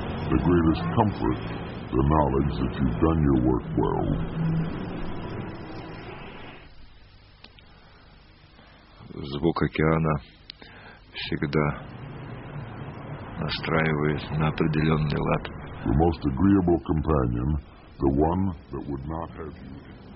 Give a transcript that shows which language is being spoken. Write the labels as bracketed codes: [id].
[en] The greatest comfort, the knowledge that you've done your work well. [ru] Звук океана всегда настраивает на определенный лад. [en] The most agreeable companion, the one that would not have you.